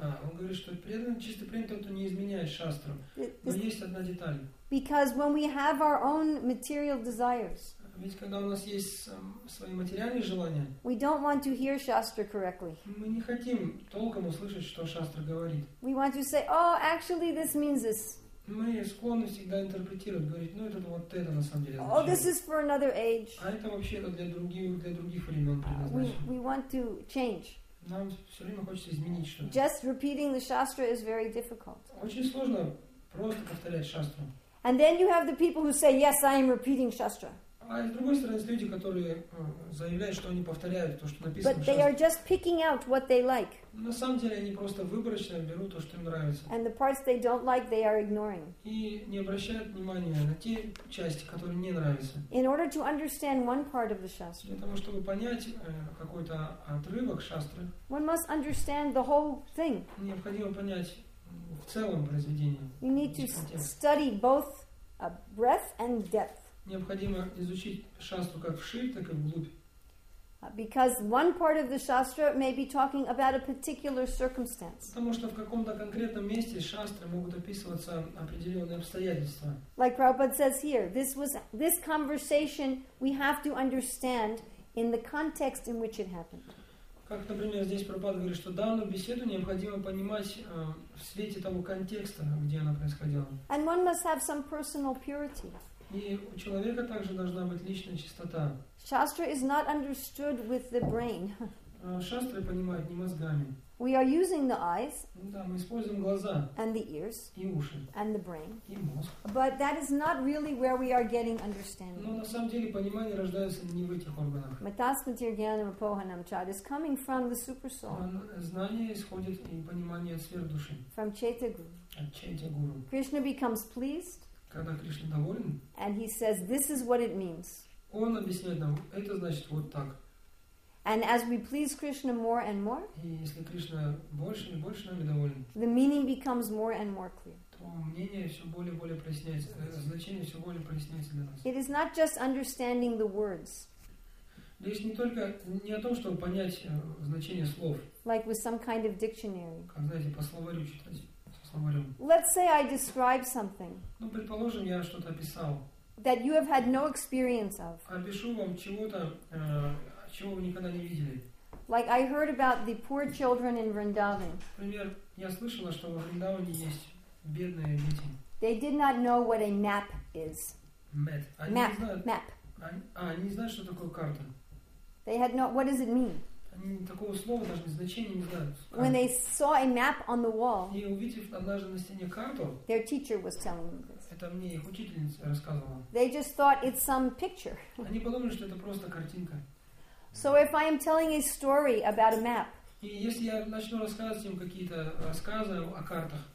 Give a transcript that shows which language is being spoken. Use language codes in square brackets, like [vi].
[ru] А, он говорит, что преданный, чистый преданный, тот, кто не изменяет Шастру. Но this... есть одна деталь. [en] Because when we have our own material desires, [ru] ведь когда у нас есть свои материальные желания, [en] we don't want to hear Shastra correctly. [ru] Мы не хотим толком услышать, что Шастра говорит. [en] We want to say, oh, actually this means this. [ru] Мы склонны всегда интерпретировать, говорить, ну это вот это на самом деле. [en] Oh, this is for another age. [ru] А это вообще-то для других времен предназначено. [en] We want to change. [ru] Нам все время хочется изменить что-то. [en] Just repeating the Shastra is very difficult. [ru] Очень сложно просто повторять Шастру. [en] And then you have the people who say, yes, I am repeating Shastra. [ru] А с другой стороны, есть люди, которые заявляют, что они повторяют то, что написано. [en] But they are just picking out what they like. [ru] На самом деле, они просто выборочно берут то, что им нравится. [en] And the parts they don't like, they are ignoring. [ru] И не обращают внимания на те части, которые не нравятся. [en] In order to understand one part of the Shastra. [ru] Для того, чтобы понять какой-то отрывок Шастры. [en] One must understand the whole thing. [ru] Необходимо понять в целом произведение. [en] You need to study both breadth and depth. [ru] Необходимо изучить шастру как вширь, так и вглубь. [en] Because one part of the shastra may be talking about a particular circumstance. [ru] Потому что в каком-то конкретном месте шастры могут описываться определенные обстоятельства. [en] Like Prabhupada says here, this conversation we have to understand in the context in which it happened. [ru] Как, например, здесь Прабхупада говорит, что данную беседу необходимо понимать в свете того контекста, где она происходила. [en] And one must have some personal purity. [ru] И у человека также должна быть личная чистота. [en] Shastra is not understood with the brain. [ru] Шастры понимают не мозгами. [en] We are using the eyes. [ru] Да, мы используем глаза. [en] And the ears. [ru] И уши. [en] And the brain. [ru] И мозг. [en] But that is not really where we are getting understanding. [ru] Но на самом деле понимание рождается не в этих органах. [sa] Matasmati jnanam apohanam chad [en] is coming from the super soul. [ru] Знание исходит и понимание от сверхдуши. [en] From Chetaguru. [ru] От Чайтагуру. [en] Krishna becomes pleased. [ru] Когда Кришна доволен, [en] and he says, this is what it means. [ru] Он объясняет нам, это значит вот так. [en] And as we please Krishna more and more, [ru] и если Кришна больше и больше нами доволен, [en] the meaning becomes more and more clear. [ru] То мнение все более и более проясняется, значение все более проясняется для нас. [en] It is not just understanding the words. [ru] Речь не только не о том, чтобы понять значение слов. [en] Like with some kind of dictionary. [ru] Как, знаете, по словарю читать. [en] Let's say I describe something. [ru] Ну, предположим, я что-то описал. [en] That you have had no experience of. [ru] Опишу вам чего-то, чего вы никогда не видели. [en] Like I heard about the poor children in Vrindavan. [ru] Например, я слышала, что в Вриндаване есть бедные дети. [en] They did not know what a map is. Map. Map. [ru] Они не знают, что такое карта. [en] They had no. What does it mean? [ru] Они такого слова даже значения не знают. [en] When they saw a map on the wall, [ru] и увидев однажды на стене карту, [en] their teacher was telling them this. [ru] Это мне их учительница рассказывала. [en] They just thought it's some picture. [ru] Они подумали, что это просто картинка. [en] So if I am telling a story about a map, [ru] и если я начну рассказывать им какие-то рассказы о картах,